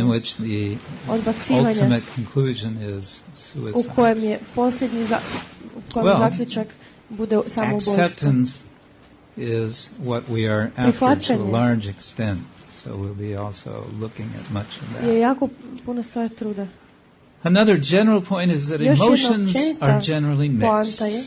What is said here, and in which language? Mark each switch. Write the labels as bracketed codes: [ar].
[en] in which the ultimate conclusion is suicide. [hr] U kojem je posljednji zaključak bude samoubojstvo. [en] Acceptance is what we are after to a large extent, so we'll be also looking at much of that. [hr] Je jako puno stvar truda. [en] Another general point is that emotions are generally mixed.